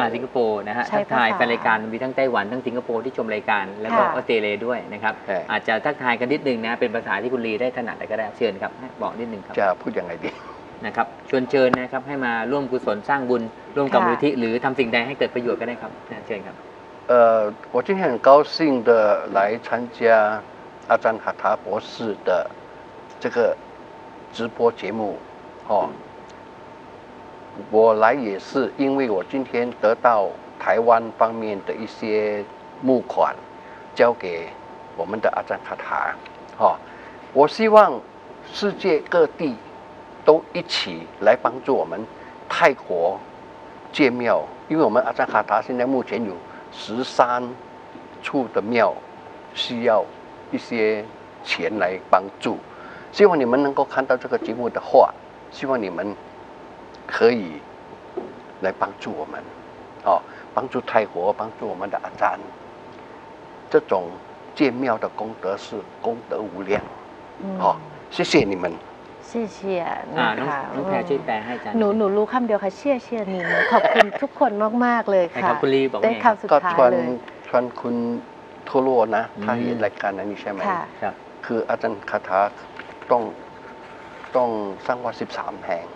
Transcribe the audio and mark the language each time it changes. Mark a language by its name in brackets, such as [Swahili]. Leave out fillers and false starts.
[Thai] สิงคโปร์นะฮะทักทายแฟนรายการมีทั้งไต้หวันทั้งสิงคโปร์ที่ชมรายการแล้วก็ออสเตรเลียด้วยนะครับอาจจะทักทายกันนิดนึงนะเป็นภาษาที่คุณลีได้ถนัดก็ได้เชิญครับบอกนิดนึงครับ จะพูดยังไงดี นะครับชวนเชิญนะครับให้มาร่วมกุศลสร้างบุญร่วมกับมูลนิธิหรือทำสิ่งใดให้เกิดประโยชน์ก็ได้ครับเชิญครับ ผมจึงแห่งเก้าสิ่งเดอร์หลายชั้นเจ้าอาจารย์หัตถาโปสื่อเดอร์ [Chinese] 这个直播节目哦我来也是因为我今天得到台湾方面的一些募款交给我们的阿赞卡塔哦我希望世界各地都一起来帮助我们泰国建庙，因为我们阿赞卡塔现在目前有13处的庙需要一些钱来帮助。希望你们能够看到这个节目的话，希望你们可以来帮助我们，哦，帮助泰国，帮助我们的阿赞。这种建庙的功德是功德无量，好，谢谢你们。谢谢 [Thai] น้องแพรช่วยแปลให้อาจารย์ หนูรู้คำเดียวค่ะเชี่ยเชี่ยนี่ขอบคุณทุกคนมากมากเลยค่ะ คุณลีบอก ไงครับ ก็ชวนคุณทั่วโลกนะถ้าเห็นรายการนี้ใช่ไหม ครับ คืออาจารย์คาถาต้องสร้างวัด13แห่ง